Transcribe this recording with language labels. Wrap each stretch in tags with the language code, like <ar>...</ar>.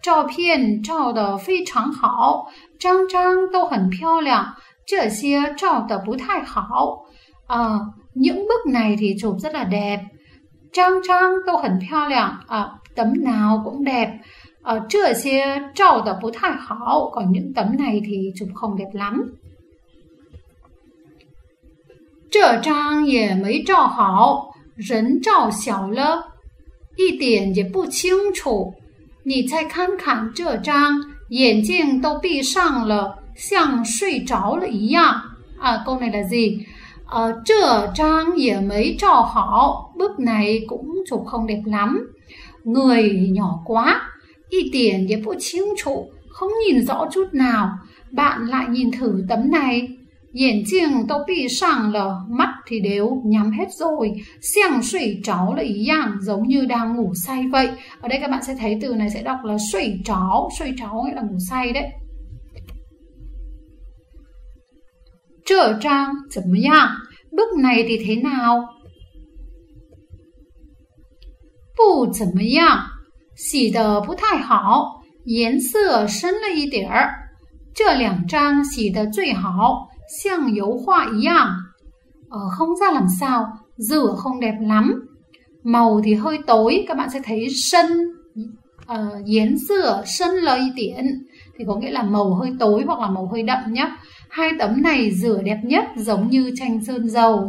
<zh>这些照片照得非常好, 张张都很漂亮. 这些照得不太好.</zh> <vi>Những bức này thì chụp rất là đẹp.</vi> <zh>张张都很漂亮.</zh> <vi>Tấm nào cũng đẹp.</vi> <zh>这些照得不太好.</zh> <vi>Còn những tấm này thì chụp không đẹp lắm.</vi> <zh>这张也没照好. 人照小了一点也不清楚. 你再看看这张, 眼睛都闭上了像睡着了一样.</zh> <vi>Câu này là gì?</vi> <zh>这张也没照好.</zh> <vi>Bức này cũng chụp không đẹp lắm. Người nhỏ quá.</vi> <zh>一点也不清楚.</zh> <vi>Không nhìn rõ chút nào. Bạn lại nhìn thử tấm này.</vi> <zh>眼睛都闭上了,</zh> <vi>mắt thì đều nhắm hết rồi.</vi> <zh>像睡着了一样,</zh> <vi>giống như đang ngủ say vậy. Ở đây các bạn sẽ thấy từ này sẽ đọc là</vi> <zh>睡着, 睡着</zh> <vi>nghĩa là ngủ say đấy.</vi> <zh>这张怎么样?</zh> <vi>Bức này thì thế nào?</vi> <zh>不怎么样, 洗得不太好, 颜色深了一点. 这两张洗得最好, 像油画一样.</zh> <vi>Không ra làm sao, rửa không đẹp lắm. Màu thì hơi tối, các bạn sẽ thấy sân, yến sửa, sân lây tiện. Thì có nghĩa là màu hơi tối hoặc là màu hơi đậm nhé. Hai tấm này rửa đẹp nhất, giống như tranh sơn dầu.</vi>